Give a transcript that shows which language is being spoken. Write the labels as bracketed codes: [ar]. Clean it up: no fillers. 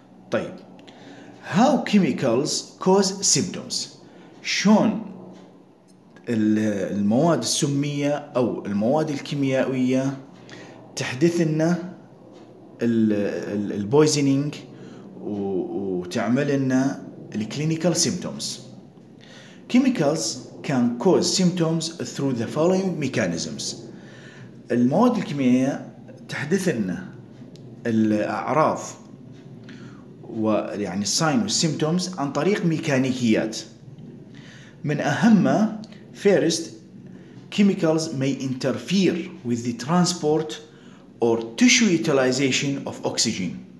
[ar] طيب [en] how chemicals cause symptoms [ar] شون المواد السمية أو المواد الكيميائية تحدث لنا البويزنينج وتعمل لنا الكلينيكال سيمتومز. [en] Chemicals can cause symptoms through the following mechanisms. [ar] المواد الكيميائية تحدث لنا الأعراض ويعني الساين والسيمتومز عن طريق ميكانيكيات. من أهمها [en] First, chemicals may interfere with the transport or tissue utilization of oxygen.